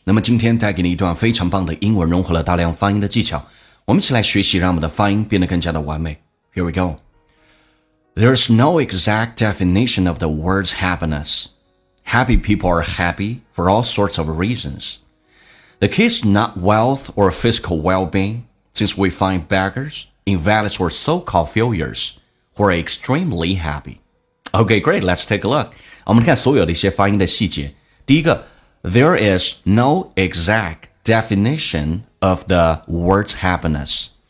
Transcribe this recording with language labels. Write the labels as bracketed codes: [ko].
[zh] 那么今天带给你一段非常棒的英文，融合了大量发音的技巧，我们一起来学习，让我们的发音变得更加的完美。 [en] Here we go. There's no exact definition of the words happiness. Happy people are happy for all sorts of reasons. The key is not wealth or physical well-being, since we find beggars, invalids or so-called failures who are extremely happyOkay, great, let's take a look. [zh] 我们看所有的一些发音的细节。第一个 [en] There is no exact definition of the word happiness.